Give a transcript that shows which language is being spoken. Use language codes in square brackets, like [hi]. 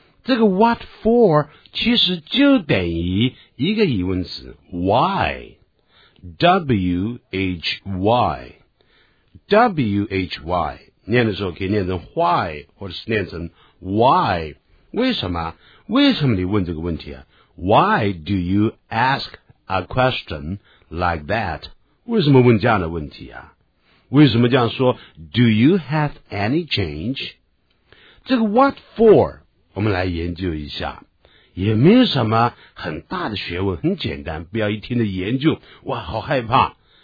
[zh] 这个 What for? 其实就等于一个疑问词 Why? W-H-Y W-H-Y 念的时候可以念成 Why 或者是念成 Why，为什么？为什么你问这个问题啊？ [en] Why do you ask a question like that? [zh] 为什么问这样的问题啊？为什么这样说？ [en] Do you have any change? [zh] 这个 what for? 我们来研究一下。也没有什么很大的学问，很简单，不要一听的研究，哇，好害怕。